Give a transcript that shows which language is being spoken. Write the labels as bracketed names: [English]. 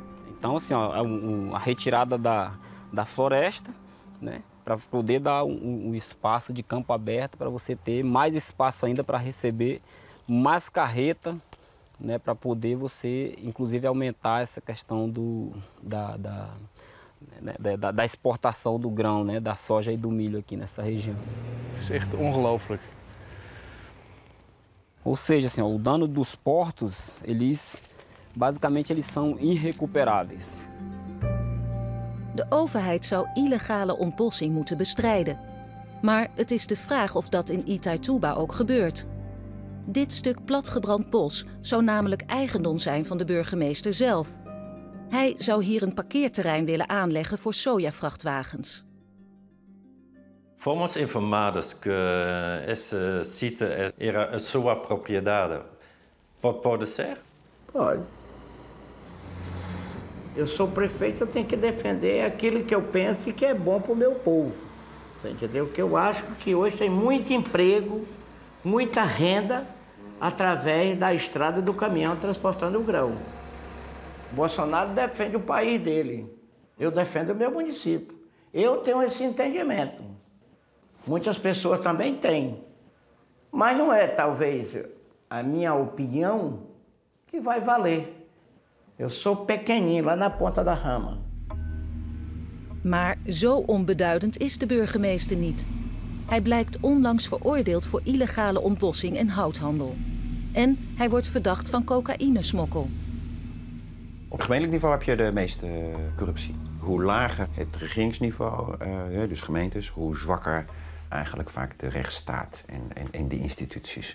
[Portuguese] Então, assim, ó, a retirada da floresta, né, para poder dar um espaço de campo aberto para você ter mais espaço ainda para receber mais carreta, né, para poder você, inclusive, aumentar essa questão da exportação do grão, né, da soja e do milho aqui nessa região. Certo, [German] unglaublich. [Portuguese] Ou seja, assim, ó, o dano dos portos, basicamente eles são irrecuperáveis. [Dutch] De overheid zou illegale ontbossing moeten bestrijden. Maar het is de vraag of dat in Itaituba ook gebeurt. Dit stuk platgebrand bos zou namelijk eigendom zijn van de burgemeester zelf. Hij zou hier een parkeerterrein willen aanleggen voor sojavrachtwagens. [Portuguese] Fomos informados que esse site era a sua propriedade. Pode ser? Pode. Eu sou prefeito, eu tenho que defender aquilo que eu penso e que é bom para o meu povo. Você entendeu? Que eu acho que hoje tem muito emprego, muita renda através da estrada do caminhão transportando o grão. Bolsonaro defende o país dele, eu defendo o meu município. Eu tenho esse entendimento. Muitas pessoas também têm. Mas não é, talvez, a minha opinião que vai valer. Eu sou pequenininho, lá na ponta da rama. [Dutch] Maar zo onbeduidend is de burgemeester niet. Hij blijkt onlangs veroordeeld voor illegale ontbossing en houthandel. En hij wordt verdacht van cocaïnesmokkel. Op gemeentelijk niveau heb je de meeste corruptie. Hoe lager het regeringsniveau, dus gemeentes, hoe zwakker eigenlijk vaak de rechtsstaat en de instituties.